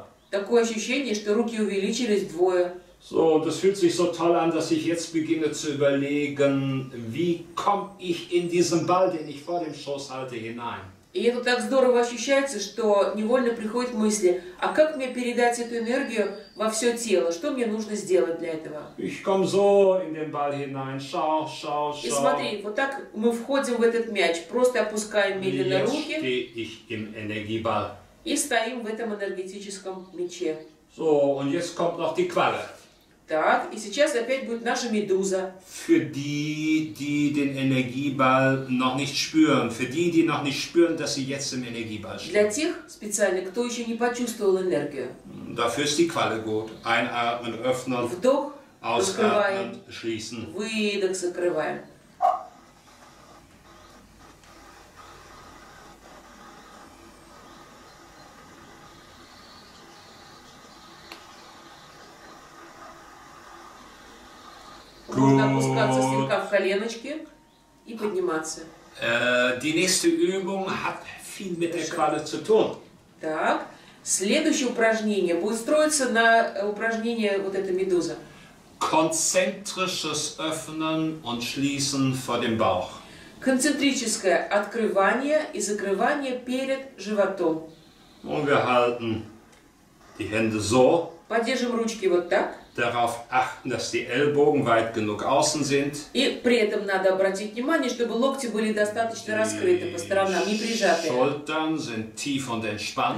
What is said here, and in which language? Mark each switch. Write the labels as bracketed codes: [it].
[ru] Такое ощущение, что руки увеличились вдвое. [de] So, das fühlt sich so toll an, dass ich jetzt beginne zu überlegen, wie komme ich in diesen Ball, den ich vor dem Schoß halte, hinein. [ru] И это так здорово ощущается, что невольно приходят мысли, а как мне передать эту энергию во все тело? Что мне нужно сделать для этого? [de] Ich komme so in den Ball hinein. Schau, schau, schau. [ru] И смотри, вот так мы входим в этот мяч, просто опускаем медленно руки. [de] Jetzt stehe ich im Energieball. [ru] И стоим в этом энергетическом мяче. [de] So, und jetzt kommt noch die Qualle. [ru] Так, и сейчас опять будет наша медуза. [de] Für die, die den Energieball noch nicht spüren, für die, die noch nicht spüren, dass sie jetzt im Energieball stehen. [ru] Для тех специально, кто еще не почувствовал энергию. [de] Dafür ist die Qualle gut. Einatmen, öffnen, [ru] вдох, [de] ausatmen, schließen. [ru] Выдох, закрываем. Нужно опускаться слегка в коленочки и подниматься. [de] Die nächste Übung hat viel mit der Qualle zu tun. [ru] Так, следующее упражнение будет строиться на упражнение вот этой медузы. [de] Konzentrisches Öffnen und Schließen vor dem Bauch. [ru] Концентрическое открывание и закрывание перед животом. [de] Und wir halten die Hände so. [ru] Поддержим ручки вот так. [de] Darauf achten, dass die Ellbogen weit genug außen sind. [ru] И при этом надо обратить внимание, чтобы локти были достаточно раскрыты по сторонам, не прижаты. [de] Schultern sind tief und entspannt.